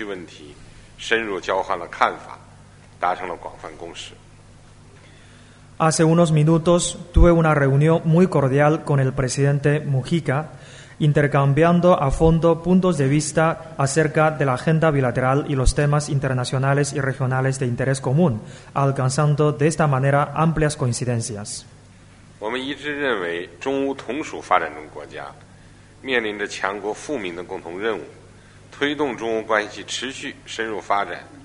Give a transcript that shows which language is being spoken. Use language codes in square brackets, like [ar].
[zh] 刚才我同穆西卡总统进行了亲切友好的会谈，我们就进一步加强中乌关系及共同关心的国际和地区问题，深入交换了看法。 [es] Hace unos minutos tuve una reunión muy cordial con el presidente Mujica, intercambiando a fondo puntos de vista acerca de la agenda bilateral y los temas internacionales y regionales de interés común, alcanzando de esta manera amplias coincidencias. [zh] 我们一致认为，中乌同属发展中国家面临着强国富民的共同任务，推动中乌关系持续深入发展。